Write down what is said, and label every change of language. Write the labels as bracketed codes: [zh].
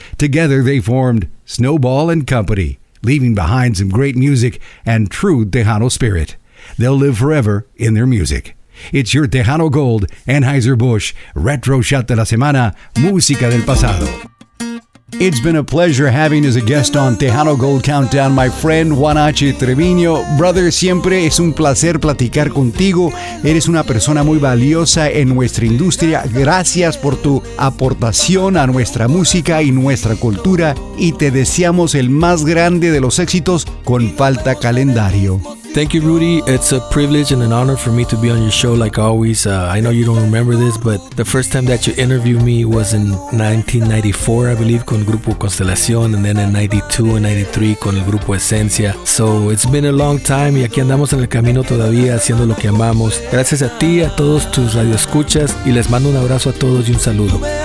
[en] Together they formed Snowball and Company, leaving behind some great music and true Tejano spirit. They'll live forever in their music. It's your Tejano Gold, Anheuser-Busch, Retro Shot de la Semana, Música del Pasado. It's been a pleasure having as a guest on Tejano Gold Countdown my friend Juan H. [es] Treviño. Brother, siempre es un placer platicar contigo. Eres una persona muy valiosa en nuestra industria. Gracias por tu aportación a nuestra música y nuestra cultura. Y te deseamos el más grande de los éxitos con Falta Calendario. [en] Thank you, Rudy. It's a privilege and an honor for me to be on your show like always. I know you don't remember this, but the first time that you interviewed me was in 1994, I believe, con Grupo Constelación, and then in 92 and 93 con el Grupo Esencia. So it's been a long time, [es] y aquí andamos en el camino todavía haciendo lo que amamos. Gracias a ti, a todos tus radioescuchas, y les mando un abrazo a todos y un saludo.